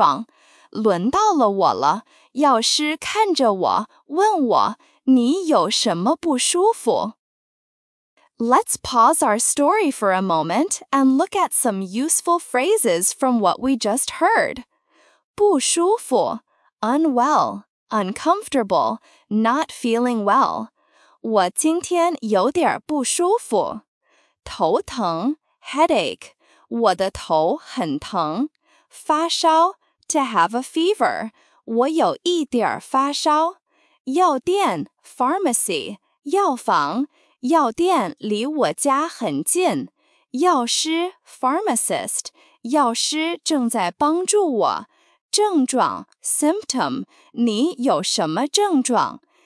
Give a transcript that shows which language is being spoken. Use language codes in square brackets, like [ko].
[zh] 药店里有很多人，看起来大家都有点小问题。我看到一个药师正在帮助一位老人，我排队等着，心里想着我该怎么说呢？我应该说我头疼还是我感冒了？我有点紧张，因为我需要清楚地告诉他我的症状。轮到了我了。药师看着我,问我,你有什么不舒服? [en] Let's pause our story for a moment and look at some useful phrases from what we just heard. [zh] 不舒服, [en] unwell, uncomfortable, not feeling well. [zh] 我今天有点不舒服, 头疼, headache, 我的头很疼, 发烧, [en] to have a fever, [zh] 我有一点发烧。药店, pharmacy, 药房, 药店离我家很近。药师, pharmacist, 药师正在帮助我。症状, symptom, 你有什么症状?